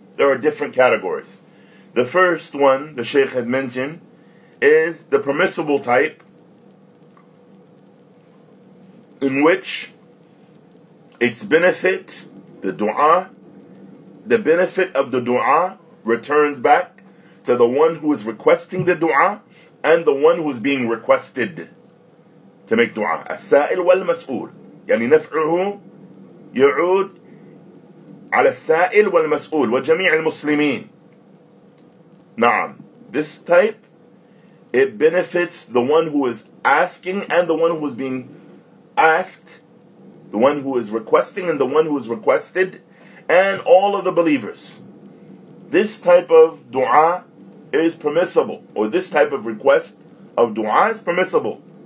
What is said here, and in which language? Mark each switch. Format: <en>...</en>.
<en>There are different categories. The first one, the Shaykh had mentioned, is the permissible type in which its benefit, the dua, the benefit of the dua returns back to the one who is requesting the dua and the one who is being requested to make dua.</en> <ar>As-sa'il wal-mas'ul. يعني نفعه يعود على السائل والمسؤول وجميع المسلمين. نعم.</ar> <en>This type, it benefits the one who is asking and the one who is being asked, the one who is requesting and the one who is requested, and all of the believers. This type of dua is permissible, or this type of request of dua is permissible.</en>